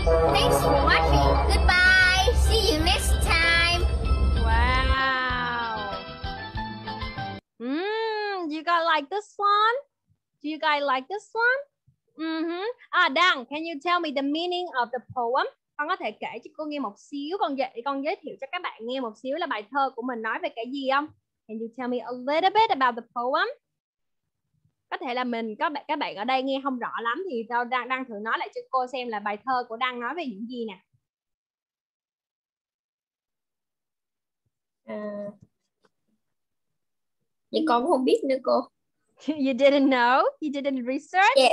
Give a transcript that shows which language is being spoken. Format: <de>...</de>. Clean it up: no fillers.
<en>Thanks for watching. Goodbye. See you next time. Wow. You guys like this one? Do you guys like this one? Mm-hmm. Đăng, can you tell me the meaning of the poem?</en> <vi>Con có thể kể cho cô nghe một xíu, con giới thiệu cho các bạn nghe một xíu là bài thơ của mình nói về cái gì không?</vi> <en>Can you tell me a little bit about the poem?</en> <vi>Có thể là mình, các bạn ở đây nghe không rõ lắm thì tao đang thử nói lại cho cô xem là bài thơ của Đăng nói về những gì nè. Vậy con cũng không biết nữa cô.</vi> <en>You didn't know? You didn't research?</en>